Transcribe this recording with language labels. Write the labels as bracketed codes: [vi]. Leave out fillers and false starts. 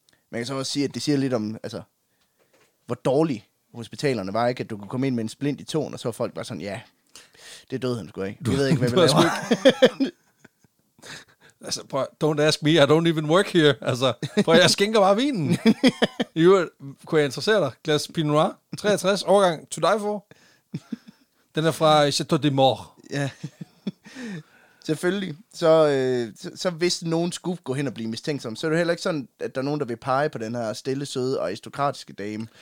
[da] Man kan så også sige, at det siger lidt om, altså, hvor dårlig hospitalerne var, ikke? At du kunne komme ind med en splint i tåen, og så var folk bare sådan, ja, det er døden, sgu ikke. Vi ved ikke, hvad vi laver. Altså, prøv, [en] don't ask me, I don't even work here. [da] Altså, prøv, jeg skænker bare vinen. Kunne jeg interessere dig? Glas Pinot Noir, 63, årgang [en] to die for. [da] Den er fra Chateau des Morts. Ja. Selvfølgelig. Så, så hvis nogen skulle gå hen og blive mistænksom, så er det heller ikke sådan, at der er nogen, der vil pege på den her stille, søde og aristokratiske dame.